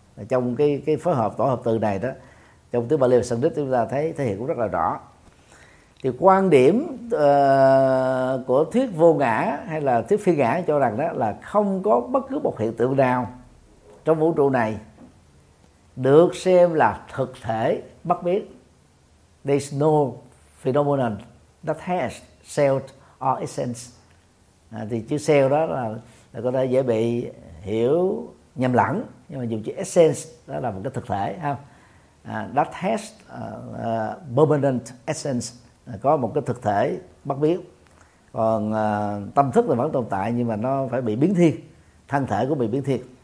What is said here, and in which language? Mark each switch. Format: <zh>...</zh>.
<vi>Trong cái phối hợp tổ hợp từ này đó, trong tiếng Pali và Sanskrit chúng ta thấy thể hiện cũng rất là rõ. Thì quan điểm của thuyết vô ngã hay là thuyết phi ngã cho rằng đó là không có bất cứ một hiện tượng nào trong vũ trụ này được xem là thực thể bất biến.</vi> <en>There's no phenomenon that has self or essence.</en> <vi>Thì chữ self đó là có thể dễ bị hiểu nhầm lẫn, nhưng mà dùng chữ essence đó là một cái thực thể, không?</vi> <en>That has permanent essence,</en> <vi>có một cái thực thể bất biến. Còn tâm thức là vẫn tồn tại, nhưng mà nó phải bị biến thiên, thân thể cũng bị biến thiên.</vi>